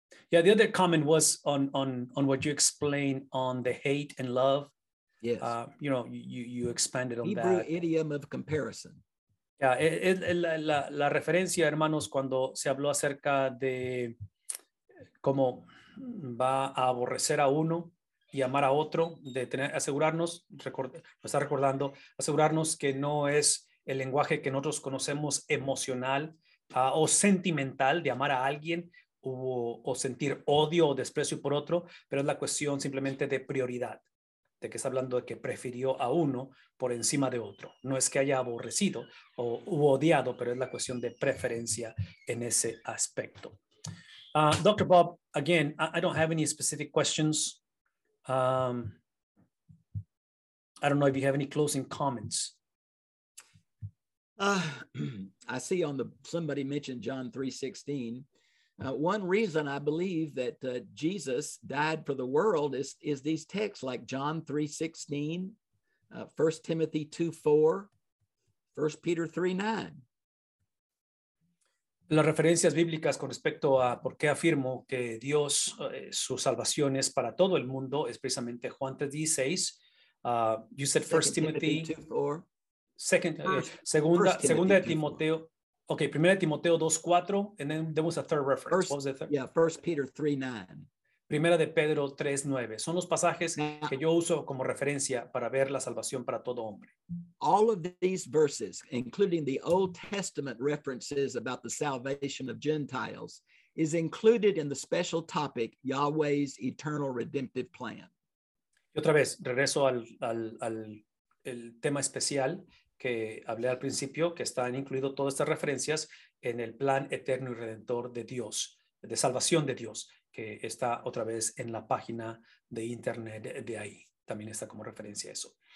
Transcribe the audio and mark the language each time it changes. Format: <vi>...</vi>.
<en>Yeah, the other comment was on what you explained on the hate and love. Yes. You know, you expanded on Hebrew that. Hebrew idiom of comparison.</en> <es>Yeah, la referencia, hermanos, cuando se habló acerca de cómo va a aborrecer a uno y amar a otro, de tener, asegurarnos, lo está recordando, asegurarnos que no es el lenguaje que nosotros conocemos emocional o sentimental de amar a alguien, o sentir odio o desprecio por otro, pero es la cuestión simplemente de prioridad, de que está hablando de que prefirió a uno por encima de otro. No es que haya aborrecido o hubo odiado, pero es la cuestión de preferencia en ese aspecto.</es> <en>Dr. Bob, again, I don't have any specific questions. I don't know if you have any closing comments. I see on the, somebody mentioned John 3:16. One reason I believe that Jesus died for the world is these texts like John 3:16, 1 Timothy 2:4, 1 Peter 3:9.</en> <es>Las referencias bíblicas con respecto a por qué afirmo que Dios, su salvación es para todo el mundo, es precisamente Juan 3:16.</es> <en>You said 1 Timothy 2:4.</en> <es>Segunda de Timoteo.</es> <en>Okay, 1 Timoteo 2:4, and then there was a third reference. First, what was the third? Yeah, 1 Peter 3:9.</en> <es>Primera de Pedro 3:9. Son los pasajes que yo uso como referencia para ver la salvación para todo hombre.</es> <en>All of these verses, including the Old Testament references about the salvation of Gentiles, is included in the special topic, Yahweh's eternal redemptive plan.</en> <es>Y otra vez, regreso al el tema especial que hablé al principio, que están incluidas todas estas referencias en el plan eterno y redentor de Dios, de salvación de Dios, que está otra vez en la página de internet de ahí. También está como referencia eso.</es>